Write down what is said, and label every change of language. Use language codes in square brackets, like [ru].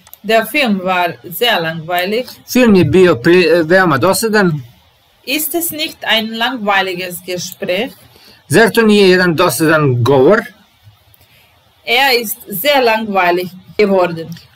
[de] Der Film war sehr langweilig. [sr] Film je bio veoma dosadan. [de] Ist es nicht ein langweiliges Gespräch? [sr] Zar to nije jedan dosadan govor? [de] Er ist sehr langweilig geworden.